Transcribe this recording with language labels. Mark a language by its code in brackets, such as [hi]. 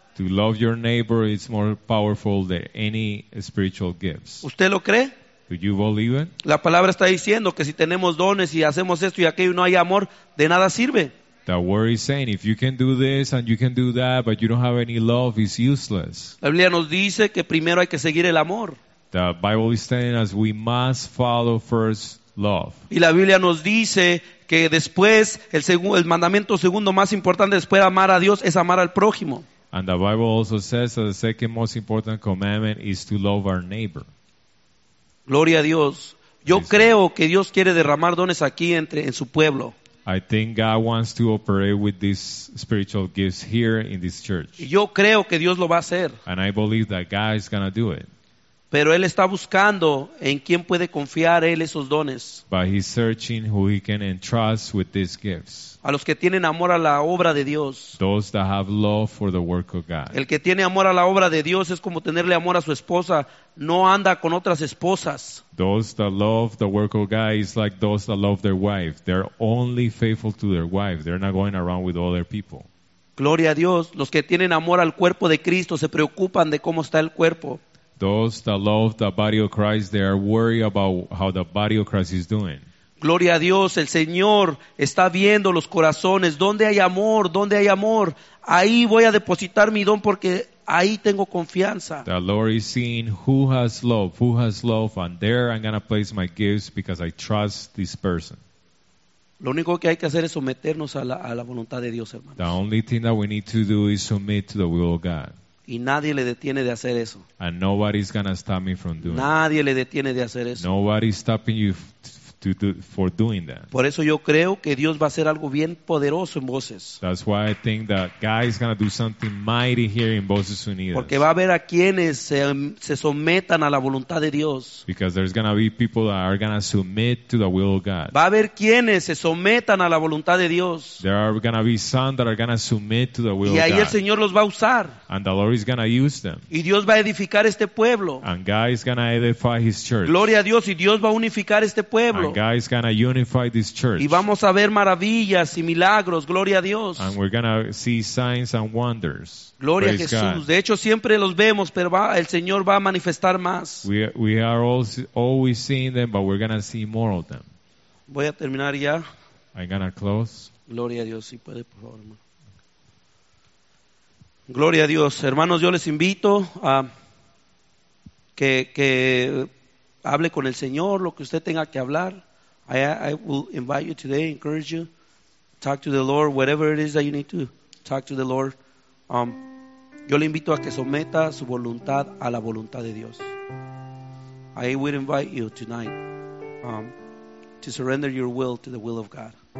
[en] To love your neighbor is more powerful than any spiritual gifts. [es] ¿Usted lo cree? [en] Do you believe it? [es] La palabra está diciendo que si tenemos dones y hacemos esto y aquello y no hay amor, de nada sirve. [en] The word is saying, if you can do this and you can do that, but you don't have any love, it's useless. [es] La Biblia nos dice que primero hay que seguir el amor. [en] The Bible is telling us we must follow first love. [es] Y la Biblia nos dice que después, el mandamiento segundo más importante después de amar a Dios es amar al prójimo. [en] And the Bible also says that the second most important commandment is to love our neighbor. [es] Gloria a Dios. Yo [en] Praise [es] creo [en] God. [es] Que Dios quiere derramar dones aquí en su pueblo. [en] I think God wants to operate with these spiritual gifts here in this church. [es] Yo creo que Dios lo va a hacer. [en] And I believe that God is going to do it. [es] Pero él está buscando en quién puede confiar él esos dones. [en] But he's searching who he can entrust with these gifts. [es] A los que tienen amor a la obra de Dios. [en] Those that have love for the work of God. [es] El que tiene amor a la obra de Dios es como tenerle amor a su esposa. No anda con otras esposas. [en] Those that love the work of God is like those that love their wife. They're only faithful to their wife. They're not going around with other people. [es] Gloria a Dios. Los que tienen amor al cuerpo de Cristo se preocupan de cómo está el cuerpo. [en] Those that love the body of Christ, they are worried about how the body of Christ is doing. [es] Gloria a Dios, el Señor está viendo los corazones. ¿Dónde hay amor? ¿Dónde hay amor? Ahí voy a depositar mi don porque ahí tengo confianza. [en] The Lord is seeing who has love, and there I'm going to place my gifts because I trust this person. [es] Lo único que hay que hacer es someternos a la voluntad de Dios, hermanos. [en] The only thing that we need to do is submit to the will of God. [es] Y nadie le detiene de hacer eso. [en] And nobody's gonna stop me from doing [es] Nadie le detiene de hacer eso. [en] Nobody's stopping you for doing that. [es] Por eso yo creo que Dios va a hacer algo bien poderoso en Voces. [en] That's why I think that God is gonna do something mighty here in Voces Unidas. [es] Porque va a haber a quienes se sometan a la voluntad de Dios. [en] Because there's gonna be people that are gonna submit to the will of God. [es] Va a haber quienes se sometan a la voluntad de Dios. [en] There are gonna be some that are gonna submit to the will of God. [es] Y ahí el Señor los va a usar. [en] And the Lord is gonna use them. [es] Y Dios va a edificar este pueblo. [en] And God is gonna edify His church. [es] Gloria a Dios y Dios va a unificar este pueblo. [en] And God is going to unify this church. [es] Y vamos a ver maravillas y milagros. Gloria a Dios. [en] And we're going to see signs and wonders. [es] Gloria [en] Praise [es] a Jesús. [en] God. [es] De hecho, siempre los vemos, pero el Señor va a manifestar más. [en] We are always seeing them, but we're going to see more of them. [es] Voy a terminar ya. [en] I'm going to close. [es] Gloria a Dios. Si puede, por favor, hermano. Gloria a Dios. Hermanos, yo les invito a que hable con el Señor, lo que usted tenga que hablar. [en] I will invite you today, encourage you, talk to the Lord, whatever it is that you need to talk to the Lord. [es] Yo le invito a que someta su voluntad a la voluntad de Dios. [en] I would invite you tonight to surrender your will to the will of God.